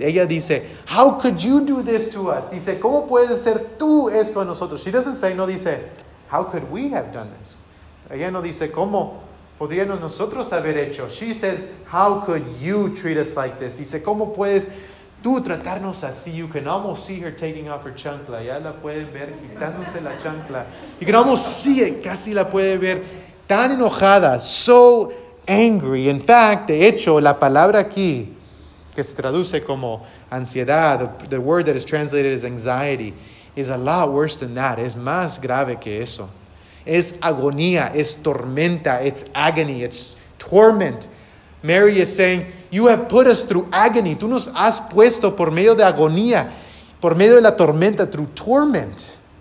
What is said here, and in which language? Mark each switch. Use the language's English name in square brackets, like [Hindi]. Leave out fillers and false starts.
[Spanish] Ella dice, [English] how could you do this to us? [Spanish] Dice, ¿cómo puedes hacer tú esto a nosotros? [English] She doesn't say, [Spanish] no dice, [English] how could we have done this? [Spanish] Ella no dice, ¿cómo podríamos nosotros haber hecho? [English] She says, how could you treat us like this? [Spanish] Dice, ¿cómo puedes tú tratarnos así? [English] You can almost see her taking off her chancla. [Spanish] Ya la pueden ver quitándose la chancla. [English] You can almost see it. [Spanish] Casi la puede ver tan enojada. [English] So angry. In fact, [Spanish] de hecho, la palabra aquí, que se traduce como ansiedad, [English] the word that is translated as anxiety, is a lot worse than that. [Spanish] Es más grave que eso. Es agonía, es tormenta, [English] it's agony, it's torment. Mary is saying, you have put us through agony. [Spanish] Tú nos has puesto por medio de agonía, por medio de la tormenta, [English] through torment.